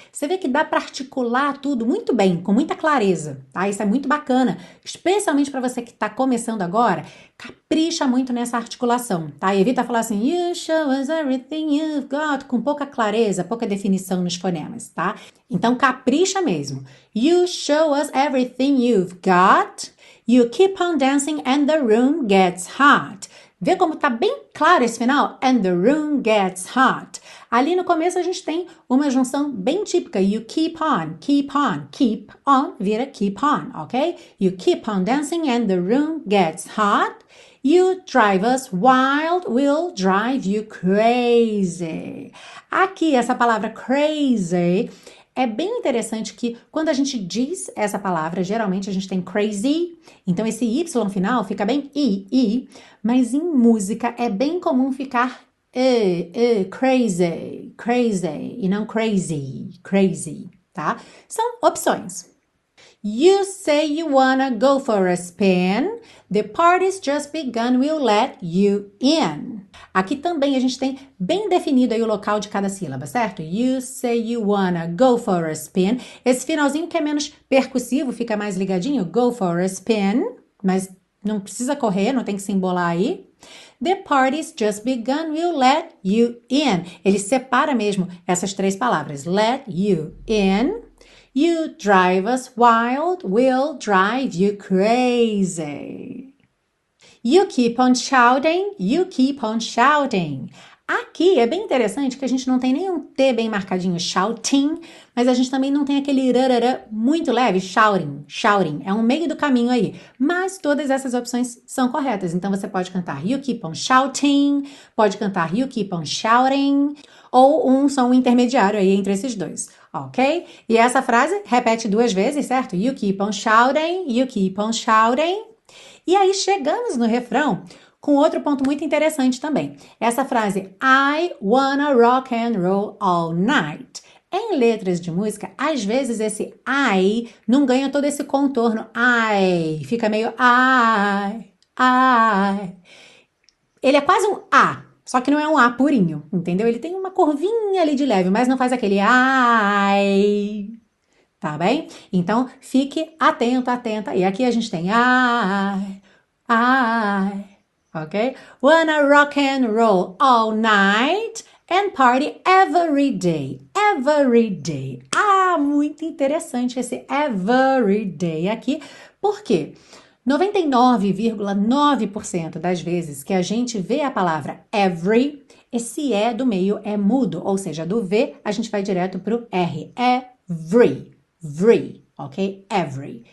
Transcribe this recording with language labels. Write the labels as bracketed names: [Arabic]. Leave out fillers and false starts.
[Portuguese] Você vê que dá para articular tudo muito bem, com muita clareza. Tá? Isso é muito bacana, especialmente para você que está começando agora. Capricha muito nessa articulação, tá? Evita falar assim: [English] You show us everything you've got, [Portuguese] com pouca clareza, pouca definição nos fonemas, tá? Então capricha mesmo. [English] You show us everything you've got. You keep on dancing and the room gets hot. [Portuguese] Vê como tá bem claro esse final? [English] And the room gets hot. [Portuguese] Ali no começo a gente tem uma junção bem típica. [English] You keep on, keep on, keep on [Portuguese] vira [English] keep on, ok? You keep on dancing and the room gets hot. You drive us wild, we'll drive you crazy. [Portuguese] Aqui essa palavra crazy é bem interessante que quando a gente diz essa palavra, geralmente a gente tem crazy, então esse Y final fica bem i, mas em música é bem comum ficar crazy, crazy, e não crazy, crazy, tá? São opções. [English] You say you wanna go for a spin, the party's just begun, we'll let you in. [Portuguese] Aqui também a gente tem bem definido aí o local de cada sílaba, certo? [English] You say you wanna go for a spin. [Portuguese] Esse finalzinho que é menos percussivo, fica mais ligadinho, [English] go for a spin, [Portuguese] mas não precisa correr, não tem que se embolar aí. [English] The party's just begun, we'll let you in. [Portuguese] Ele separa mesmo essas três palavras, [English] let you in. You drive us wild, we'll drive you crazy. You keep on shouting, you keep on shouting. [Portuguese] Aqui é bem interessante que a gente não tem nenhum T bem marcadinho, shouting, mas a gente também não tem aquele rarara muito leve, shouting, shouting. É um meio do caminho aí. Mas todas essas opções são corretas. Então você pode cantar [English] you keep on shouting, [Portuguese] pode cantar you keep on shouting, ou um som intermediário aí entre esses dois, ok? E essa frase repete duas vezes, certo? [English] You keep on shouting, you keep on shouting. [Portuguese] E aí chegamos no refrão com outro ponto muito interessante também. Essa frase, [English] I wanna rock and roll all night. [Portuguese] Em letras de música, às vezes esse I não ganha todo esse contorno. I fica meio I, I. Ele é quase um A, só que não é um A purinho, entendeu? Ele tem uma curvinha ali de leve, mas não faz aquele I. Tá bem? Então fique atento, atenta. E aqui a gente tem I, I, ok? [English] Wanna rock and roll all night and party every day, every day. [Portuguese] Ah, muito interessante esse [English] every day [Portuguese] aqui. Por quê? 99,9% das vezes que a gente vê a palavra every, esse E do meio é mudo, ou seja, do V a gente vai direto para o R. [English] Every. Every, ok? Every.